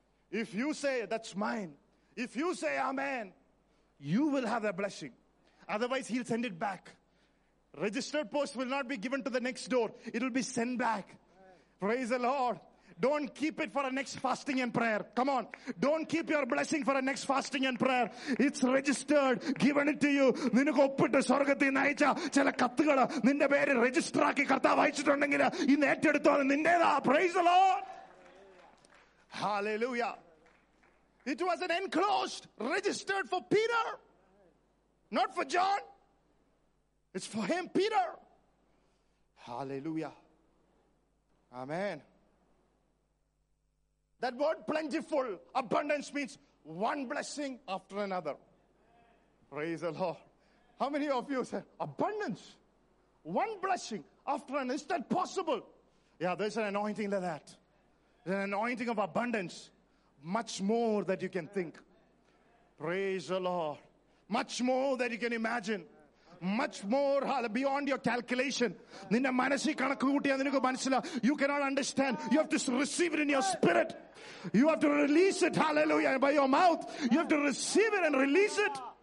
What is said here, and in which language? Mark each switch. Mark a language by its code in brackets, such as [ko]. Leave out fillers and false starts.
[en] If you say, that's mine. If you say, amen, you will have a blessing. Otherwise, he'll send it back. Registered post will not be given to the next door. It'll be sent back. Praise the Lord. Don't keep it for a next fasting and prayer. Come on. Don't keep your blessing for a next fasting and prayer. It's registered. Given it to you. [ml] നിനക്ക് ഒപ്പിട്ട് സ്വർഗത്തിൽ നയിച്ച ചില കത്തുകൾ നിന്റെ പേര് register ആക്കി കർത്താവ് അയച്ചിട്ടുണ്ടെങ്കിൽ ഇന്ന് ഏറ്റെടുത്തോ നിന്റേതാ. [en] Praise the Lord. [ml] Hallelujah. [en] It was an enclosed registered for Peter. Not for John. It's for him Peter. Hallelujah. Amen. That word plentiful, abundance means one blessing after another. Praise the Lord. How many of you say abundance? One blessing after another. Is that possible? Yeah, there's an anointing like that. There's an anointing of abundance. Much more that you can think. Praise the Lord. Much more that you can imagine. Much more beyond your calculation. [ml] നിന്റെ മനസ്സിൽ കണക്ക് കൂട്ടിയാൽ നിനക്ക് മനസ്സിലാവും. [en] You cannot understand. You have to receive it in your spirit. You have to release it. Hallelujah. By your mouth. You have to receive it and release it.